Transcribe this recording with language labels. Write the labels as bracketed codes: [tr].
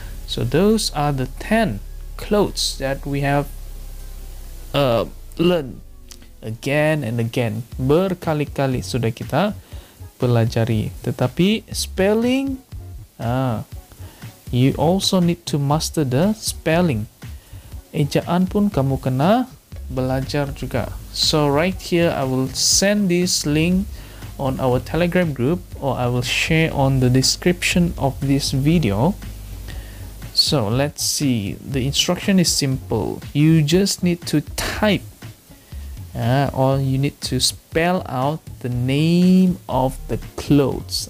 [en] So those are the 10 clothes that we have learned again and again. [ms] Berkali-kali sudah kita pelajari. [en] Tetapi spelling, you also need to master the spelling. [ms] Ejaan pun kamu kena belajar juga. [en] So right here, I will send this link on our Telegram group, or I will share on the description of this video. So let's see. The instruction is simple. You just need to type, or you need to spell out the name of the clothes.